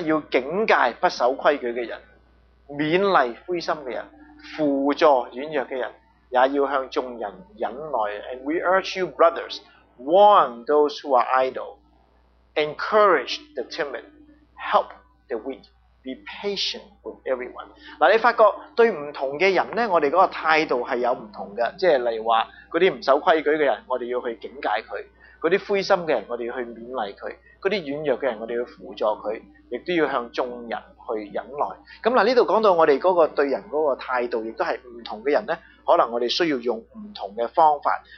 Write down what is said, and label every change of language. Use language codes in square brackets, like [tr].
[yue] 要警戒不守规矩的人，勉励灰心的人，辅助软弱的人，也要向众人忍耐。 [en] And we urge you brothers, warn those who are idle, encourage the timid, help the weak, be patient with everyone. [yue] 你发觉对不同的人呢，我们那个态度是有不同的，即是例如说那些不守规矩的人，我们要去警戒他，那些灰心的人，我们要去勉励他，嗰啲軟弱嘅人，我哋要輔助佢，亦都要向眾人去忍耐。咁嗱，呢度講到我哋嗰個對人嗰個態度，亦都係唔同嘅人咧，可能我哋需要用唔同嘅方法。